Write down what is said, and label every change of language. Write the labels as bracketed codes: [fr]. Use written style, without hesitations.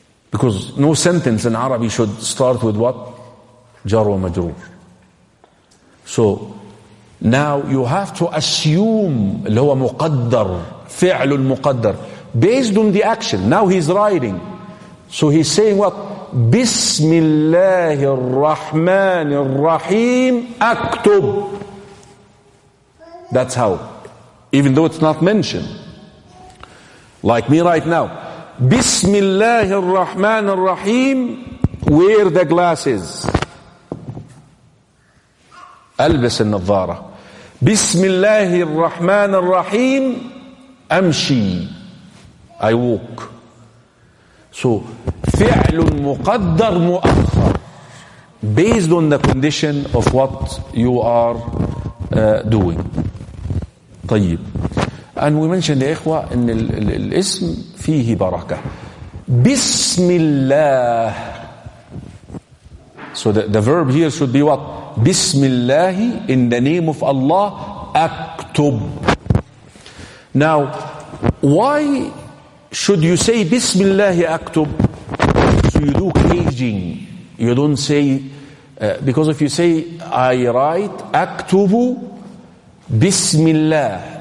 [en] Because no sentence in Arabic should start with what? [ar] جار ومجرور. [en] So now you have to assume [ar] اللي هو مقدر, فعل المقدر, [en] based on the action. Now he's writing. So he's saying what? [ar] بسم الله الرحمن الرحيم اكتب. [en] That's how. Even though it's not mentioned. Like me right now. بسم الله الرحمن الرحيم. Wear the glasses. [ar] ألبس النظارة. بسم الله الرحمن الرحيم. أمشي. [en] I walk. [ar] So, فعل مقدر مؤخر. [en] Based on the condition of what you are doing. [ar] طيب. [en] And we mentioned [ar] يا إخوة إن الاسم فيه بركة. بسم الله. [en] So the verb here should be what? [ar] بسم الله. [en] In the name of Allah, [ar] أكتب. [en] Now, why should you say [ar] بسم الله أكتب? [en] So you do caging. You don't say because if you say I write [ar] أكتب بسم الله.